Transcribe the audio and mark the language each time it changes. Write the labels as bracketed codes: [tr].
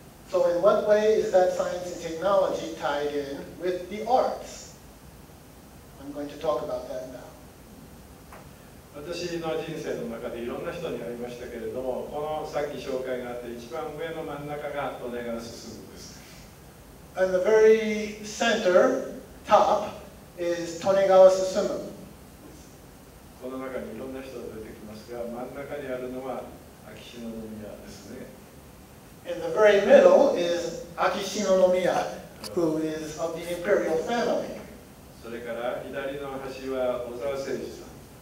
[en] So in what way is that science and technology tied in with the arts? I'm going to talk about that now. [ja] 私の人生の中でいろんな人に会いましたけれども、このさっき紹介があって一番上の真ん中がトネガワ進です。 [en] And the very center, top, is Tonegawa Susumu. [ja] この中にいろんな人が出てきますが、真ん中にあるのは秋篠宮ですね。 [en] In the very middle is Akishino Nomiya, who is of the imperial family. [ja] それから左の端は小沢誠二さん。